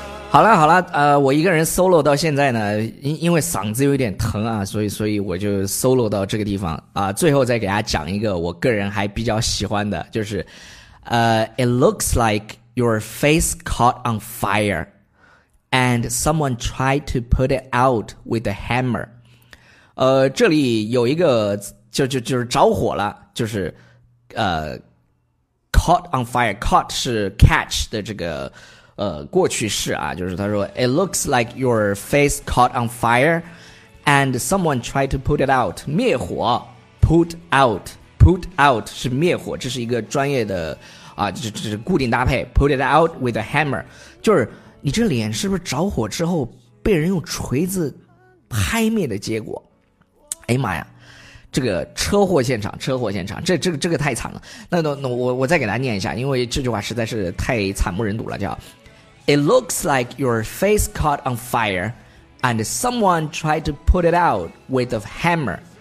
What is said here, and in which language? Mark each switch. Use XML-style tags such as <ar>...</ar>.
<zh>好了，我一个人 solo 到现在呢，因为嗓子有点疼啊，所以我就 solo 到这个地方啊。最后再给大家讲一个我个人还比较喜欢的，就是</zh> <en>it looks like your face caught on fire and someone tried to put it out with a hammer.</en> <zh>这里有一个就是着火了，就是caught on fire， caught 是 catch 的这个过去式啊，就是他说</zh> <en>it looks like your face caught on fire and someone tried to put it out，</en> <zh>灭火， put out 是灭火，这是一个专业的啊，这是固定搭配 ，</zh> <en>put it out with a hammer，</en> <zh>就是你这脸是不是着火之后被人用锤子拍灭的结果？哎妈呀，这个车祸现场，这个太惨了。那我再给大家念一下，因为这句话实在是太惨不忍睹了，叫</zh> <en>It looks like your face caught on fire and someone tried to put it out with a hammer.</en>